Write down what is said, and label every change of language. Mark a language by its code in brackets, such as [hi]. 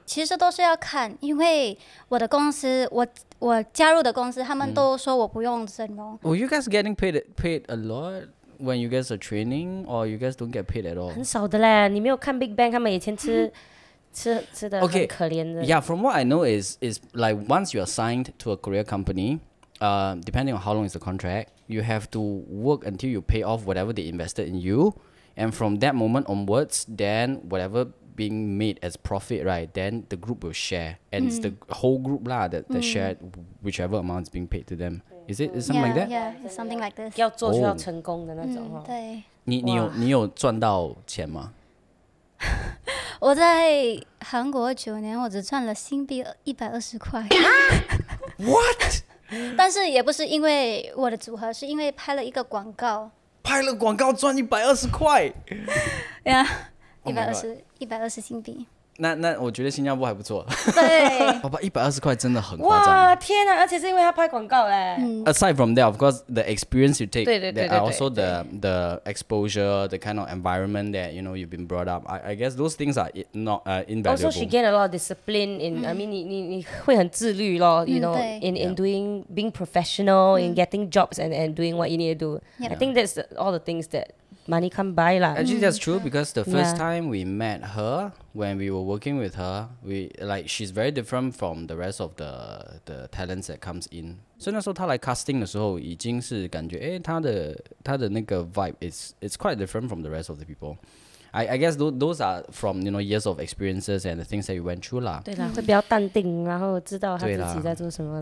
[zh] 其实都是要看，因为我的公司，我加入的公司，他们都说我不用整容。 [en] Were you guys getting paid a lot when you guys are training, or you guys don't get paid at all？ [zh] 很少的嘞，你没有看 Big Bang， 他们以前吃的很可怜的。 [en] Okay. Yeah, from what I know is like once you are signed to a Korea company, depending on how long is the contract, you have to work until you pay off whatever they invested in you, and from that moment onwards, then whatever. Being made as profit, right? Then the group will share, and it's the whole group lah that shared whichever amount is being paid to them. Is it something like that? Yeah, it's something like this. [zh] 要做就要成功的那种哈。对。你有赚到钱吗？我在韩国9年，我只赚了新币120块。 [en] What? [zh] 但是也不是因为我的组合，是因为拍了一个广告。拍了广告赚120块。 [en] Yeah, 120新币。 [zh] 那我觉得新加坡还不错。对，爸爸120块真的很夸张。哇，天啊！而且是因为他拍广告嘞。嗯。 [en] Aside from that, of course, the experience you take, [zh] 对 [en] also the exposure, the kind of environment that you know you've been brought up. I guess those things are not invaluable. Also, she gained a lot of discipline in.、Mm. I mean, 你会很自律咯。 You know, in doing being professional, in getting jobs and doing what you need to do. Yep. I think that's all the things that. Money can't buy lah. Actually, that's true because the first time we met her, when we were working with her, she's very different from the rest of the talents that comes in. [zh] So 那时候她来 casting 的时候，已经是感觉，她的那个 vibe is quite different from the rest of the people. [en] I guess those are from you know years of experiences and the things that you went through lah. [zh] 对啦，会比较淡定，然后知道她自己在做什么了。